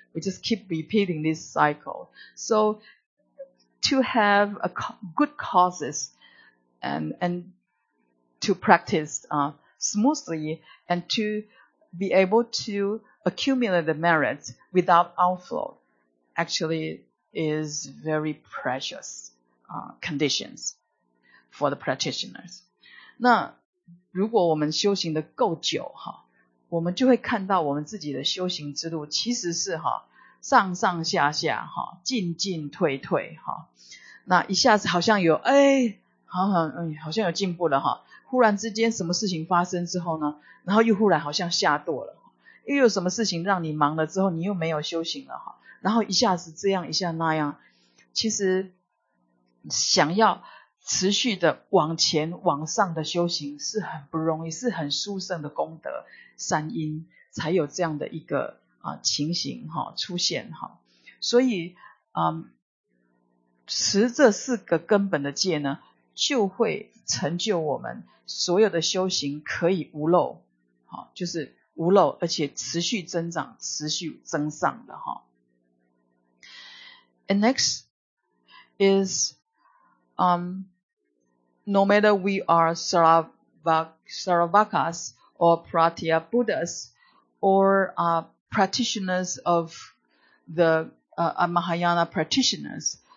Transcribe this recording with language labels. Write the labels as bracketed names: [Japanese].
[English] We just keep repeating this cycle. So to have a good causes and to practice smoothly and to be able to accumulate the merits without outflow actually is very precious conditions for the practitioners. [Chinese] 那如果我们修行的够久，我们就会看到我们自己的修行之路其实是上上下下，进进退退，那一下子好像有好像有进步了，忽然之间什么事情发生之后呢，然后又忽然好像下堕了，又有什么事情让你忙了之后你又没有修行了，然后一下子这样一下那样。其实想要持续的往前往上的修行是很不容易，是很殊胜的功德善因才有这样的一个情形出现。所以持这四个根本的戒呢，就会成就我们所有的修行可以无漏，就是无漏而且持续增长持续增上的。 [English] And next is no matter we are Saravakas or Pratya Buddhas or practitioners of the Mahayana practitioners,